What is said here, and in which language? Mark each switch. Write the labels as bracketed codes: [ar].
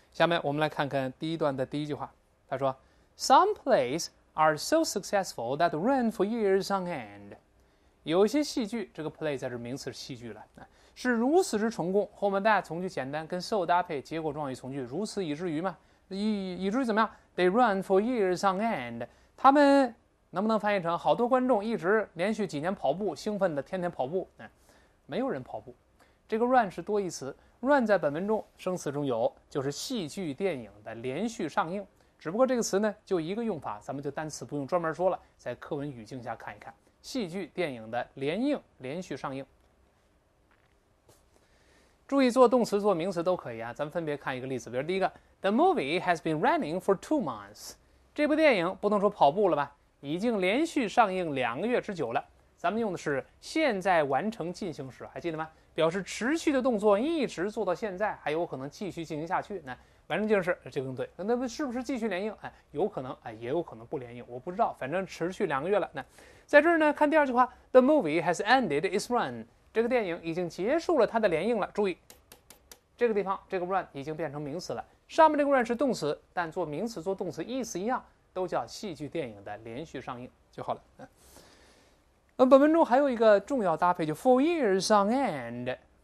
[zh] 下面我们来看看第一段的第一句话，他说 ： [en] “Some plays are so successful that run for years on end。” [zh] 有些戏剧，这个 play 在这名词是戏剧了，是如此之成功。后面 that 从句简单，跟 so 搭配，结果状语从句，如此以至于嘛，以至于怎么样？ [en] They run for years on end。 [zh] 他们能不能翻译成好多观众一直连续几年跑步，兴奋的天天跑步？没有人跑步。这个 run 是多义词。run 在本文中生词中有，就是戏剧、电影的连续上映。只不过这个词呢，就一个用法，咱们就单词不用专门说了，在课文语境下看一看，戏剧、电影的连映、连续上映。注意做动词、做名词都可以啊，咱们分别看一个例子，比如第一个， [en] The movie has been running for 2 months。 [zh] 这部电影不能说跑步了吧，已经连续上映2个月之久了。咱们用的是现在完成进行时，还记得吗？表示持续的动作一直做到现在，还有可能继续进行下去。那完成进行时，这更对。那是不是继续连映？有可能，也有可能不连映，我不知道。反正持续2个月了。那在这儿呢，看第二句话， [en] The movie has ended its run。 [zh] 这个电影已经结束了它的连映了。注意，这个地方这个 run 已经变成名词了。上面这个 run 是动词，但做名词做动词意思一样，都叫戏剧电影的连续上映就好了。本文中还有一个重要搭配，就 for years on end。